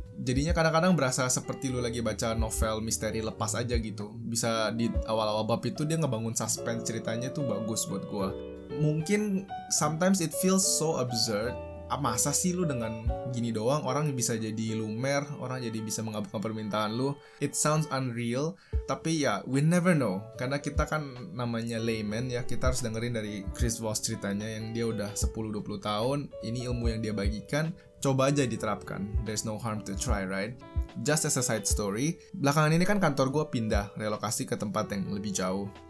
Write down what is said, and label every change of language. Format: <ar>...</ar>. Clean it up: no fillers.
<id>jadinya kadang-kadang berasa seperti lu lagi baca novel misteri lepas aja gitu. Bisa di awal-awal bab itu dia ngebangun suspense ceritanya tuh bagus buat gua. Mungkin</id> <en>sometimes it feels so absurd.</en> <id>Masa sih lu dengan gini doang orang bisa jadi lumer, orang jadi bisa mengabulkan permintaan lu?</id> <en>It sounds unreal,</en> <id>tapi ya</id> <en>we never know.</en> <id>Karena kita kan namanya layman ya, kita harus dengerin dari Chris Voss ceritanya yang dia udah 10-20 tahun. Ini ilmu yang dia bagikan, coba aja diterapkan.</id> <en>There's no harm to try, right? Just as a side story,</en> <id>belakangan ini kan kantor gua pindah relokasi ke tempat yang lebih jauh.</id>